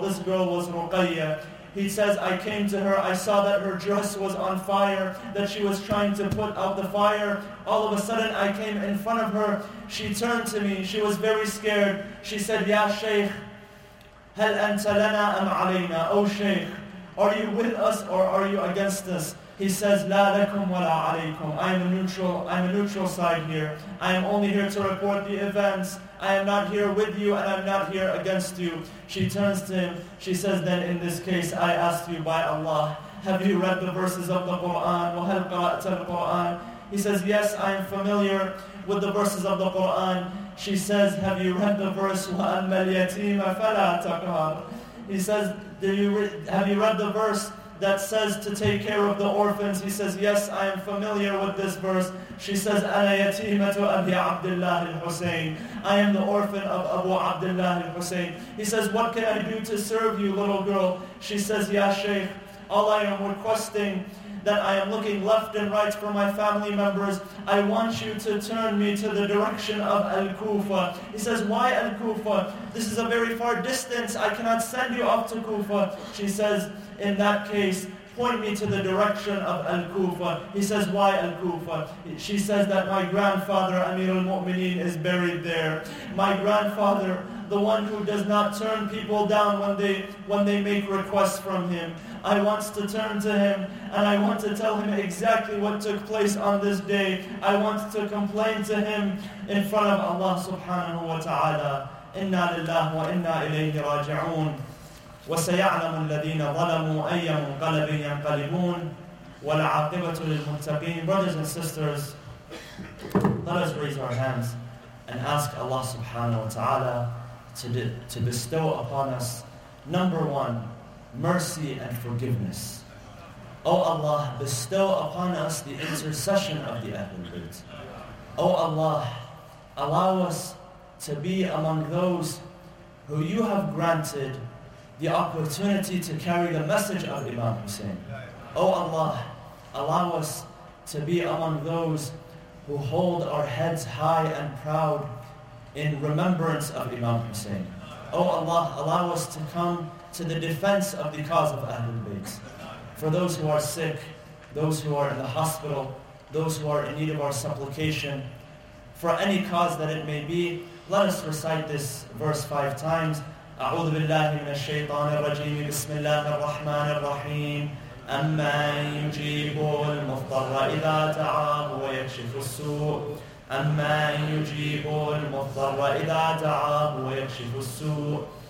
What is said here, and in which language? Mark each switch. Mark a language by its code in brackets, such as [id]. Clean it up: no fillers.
[en] This girl was Ruqayya. He says, I came to her, I saw that her dress was on fire, that she was trying to put out the fire. All of a sudden, I came in front of her. She turned to me. She was very scared. She said, Ya Shaykh, [ar] هَلْ أَنْتَ لَنَا أَمْ عَلَيْنَا? [en] O Shaykh, are you with us or are you against us? He says, [ar] لا لكم ولا عليكم. [en] I am a neutral side here. I am only here to report the events. I am not here with you and I'm not here against you. She turns to him. She says, then in this case, I ask you by Allah, have you read the verses of the Qur'an? [ar] وَهَلْ قَرَأْتَ الْقُرْآنَ? [en] He says, yes, I am familiar with the verses of the Qur'an. She says, have you read the verse, [ar] وَأَمَّا الْيَتِيمَ فَلَا تَقْهَرْ? [en] He says, have you read the verse that says to take care of the orphans? He says, yes, I am familiar with this verse. She says, [ar] أَنَا يَتِيمَةُ أَبِي عَبْدِ اللَّهِ الْحُسَيْنِ. [en] I am the orphan of Abu Abdullah al-Husayn. He says, what can I do to serve you, little girl? She says, Ya Shaykh, all I am requesting, that I am looking left and right for my family members. I want you to turn me to the direction of Al-Kufa. He says, why Al-Kufa? This is a very far distance. I cannot send you off to Kufa. She says, in that case, point me to the direction of Al-Kufa. He says, why Al-Kufa? She says that my grandfather, Amir al-Mu'mineen, is buried there. My grandfather, the one who does not turn people down when they make requests from him. I want to turn to him and I want to tell him exactly what took place on this day. I want to complain to him in front of Allah subhanahu wa ta'ala. [ar] Inna lillahi wa inna ilayhi raji'un. وسيعلم الذين ظلموا أي منقلب ينقلبون والعاقبة للمتقين. [en] Brothers and sisters, let us raise our hands and ask Allah subhanahu wa ta'ala to bestow upon us, number one, mercy and forgiveness. O Allah, bestow upon us the intercession of the Ahlul Bayt. O Allah, allow us to be among those who you have granted the opportunity to carry the message of Imam Hussein. O Allah, allow us to be among those who hold our heads high and proud in remembrance of Imam Hussein. O Allah, allow us to come to the defense of the cause of Ahlul Bayt. For those who are sick, those who are in the hospital, those who are in need of our supplication, for any cause that it may be, let us recite this verse 5 times. [ar] أعوذ بالله من الشيطان الرجيم بسم الله الرحمن الرحيم أمن يجيب المضطر إذا دعاه ويكشف السوء أمن يجيب المضطر إذا دعاه ويكشف السوء